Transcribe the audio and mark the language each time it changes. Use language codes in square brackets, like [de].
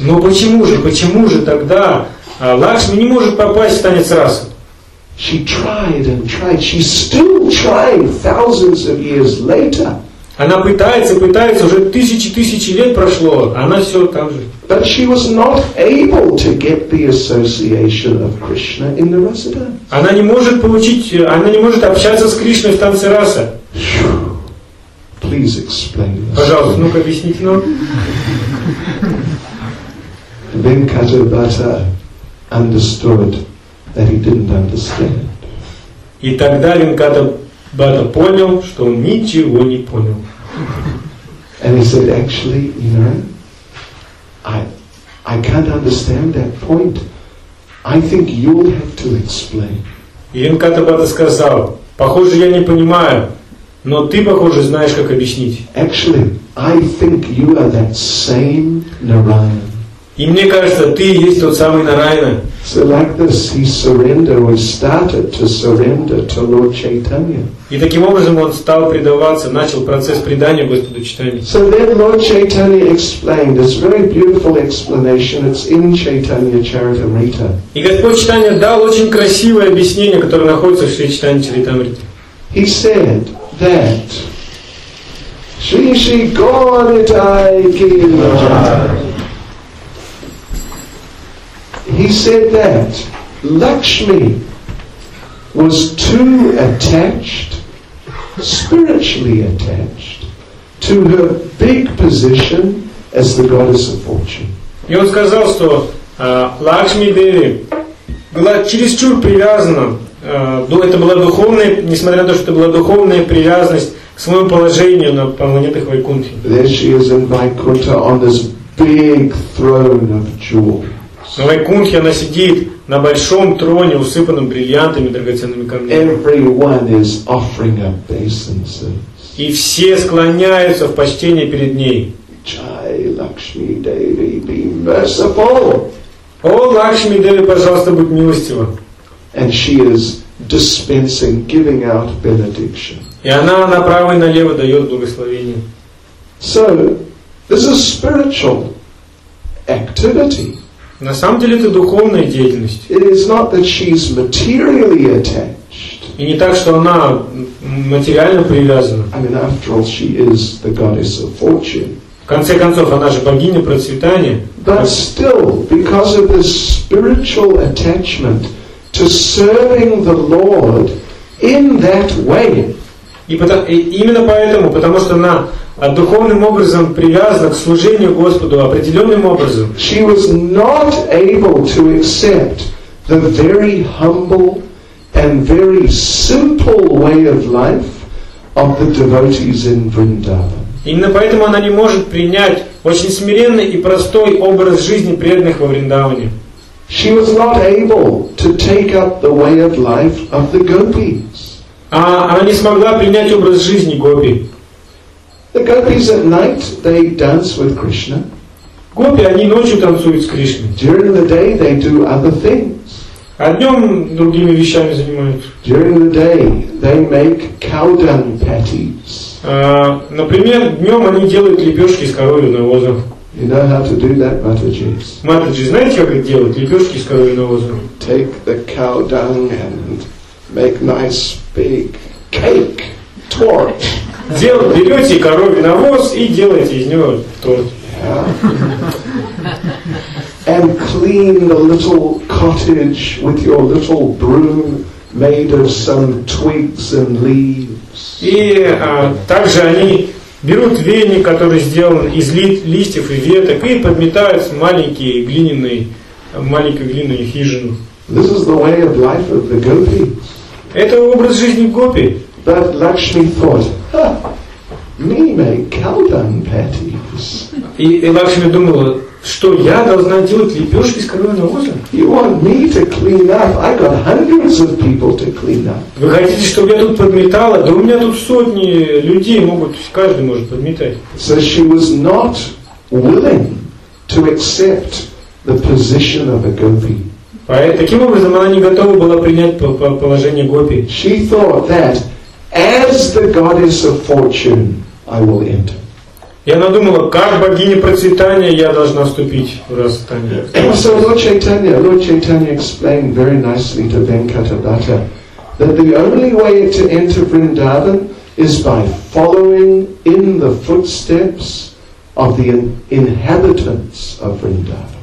[ru] Но почему же тогда Лакшми не может попасть в танец Расы? [en] She tried and tried, she's still trying thousands of years later. [ru] Она пытается, уже тысячи лет прошло, а она все там же. [en] But she was not able to get the association of Krishna in the Rasa dance. [ru] Она не может общаться с Кришной в танце Раса. [en] Please explain this. [ru] Пожалуйста, ну-ка объясните нам. [en] Venkatabhata understood that he didn't understand. [ru] И тогда Венкатабхата понял, что он ничего не понял. [en] And he said, actually, you know, I can't understand that point. I think you'll have to explain. [ru] И Венкатабхата сказал, похоже, я не понимаю, но ты, похоже, знаешь, как объяснить. [en] Actually, I think you are that same Narayana. [ru] И мне кажется, ты и есть тот самый Нараяна. [en] So like this, he surrendered or started to surrender to Lord Chaitanya. [ru] И таким образом он стал предаваться, начал процесс предания Господу Чайтанье. [en] So then Lord Chaitanya explained this very beautiful explanation. It's in Chaitanya Charitamrita. [ru] И Господь Чайтанья дал очень красивое объяснение, которое находится в Шри Чайтанья Чаритамрите. [en] He said that Shri Shri Gauranitai Kirtan. He said that Lakshmi was too attached, spiritually attached, to her big position as the goddess of fortune. [ru] И он сказал, что Лакшми Деви была чересчур привязана. Это была духовная, несмотря на то, что это была духовная привязанность к своему положению на планетах Вайкунте. [en] There she is in Vaikuntha on this big throne of jewel. [ru] На Вайкунтхе она сидит на большом троне, усыпанном бриллиантами, драгоценными камнями. И все склоняются в почтении перед ней. [en] Jai Lakshmi Devi, be merciful. [ru] О, Лакшми Деви, пожалуйста, будь милостива. [en] And she is dispensing, giving out benediction. [ru] И она направо и налево дает благословение. [en] So, this is spiritual activity. [ru] На самом деле это духовная деятельность. [en] It is not that she's materially attached. [ru] И не так, что она материально привязана. [en] I mean, after all, she is the goddess of fortune. [ru] В конце концов, она же богиня процветания. [en] But still, because of this spiritual attachment to serving the Lord in that way. [ru] Именно поэтому, потому что она духовным образом привязана к служению Господу определенным образом. [en] She was not able to accept the very humble and very simple way of life of the devotees in Vrindavan. [ru] Именно поэтому она не может принять очень смиренный и простой образ жизни преданных во Вриндаване. [en] She was not able to take up the way of life of the gopis. [ru] А она не смогла принять образ жизни гопи. [en] The gopis at night they dance with Krishna. [ru] Гопи они ночью танцуют с Кришной. [en] During the day they do other things. [ru] А днем другими вещами занимаются. [en] During the day they make cow dung patties. [ru] Например, днем они делают лепешки из коровьего навоза. [en] You know how to do that, Mataji. [ru] Mataji, знаете, как это делать? Лепешки из коровьего навоза. [en] Take the cow dung and make nice big cake torte. [ru] Берете коровий навоз и делаете из него торт. [en] And clean the little cottage with your little broom made of some twigs and leaves. [ru] И также они берут веник, который сделан из листьев и веток, и подметают маленькую глиняную хижину. [en] This is the way of life of the gopi. [ru] Это образ жизни гопи. [en] But Lakshmi thought, me make cow dung patties. [ru] И Лакшми думала, что я должна делать лепешки с коровьего навоза? [en] You want me to clean up? I got hundreds of people to clean up. [ru] Вы хотите, чтобы я тут подметала? Да у меня тут сотни людей могут, каждый может подметать. [en] So she was not willing to accept the position of a gopi. [ru] Таким образом, она не готова была принять положение гопи. [en] She thought that as the goddess of fortune, I will enter. [ru] И она думала, как богиня процветания я должна вступить в расстание. [en] So Lord Chaitanya explained very nicely to Venkatabhata that the only way to enter Vrindavan is by following in the footsteps of the inhabitants of Vrindavan.